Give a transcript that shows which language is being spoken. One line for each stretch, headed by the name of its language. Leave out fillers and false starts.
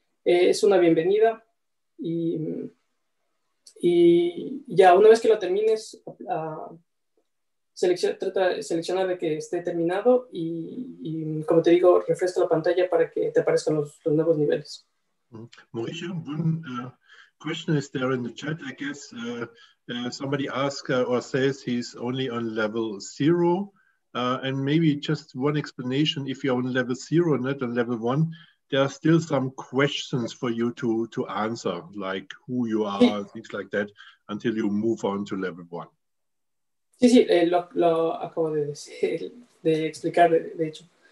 Spanish: Es una bienvenida. Y ya, una vez que lo termines, trata de seleccionar de que esté terminado y, como te digo, refresca la pantalla para que te aparezcan los nuevos niveles.
English: Mauricio, one question is there in the chat. I guess somebody asks or says he's only on level 0. And maybe just one explanation, if you're on level 0, not on level 1, there are still some questions for you to answer, like who you are, sí, things like that, until you move on to level 1.
Spanish: Sí, sí, lo acabo de decir, de explicar, de hecho.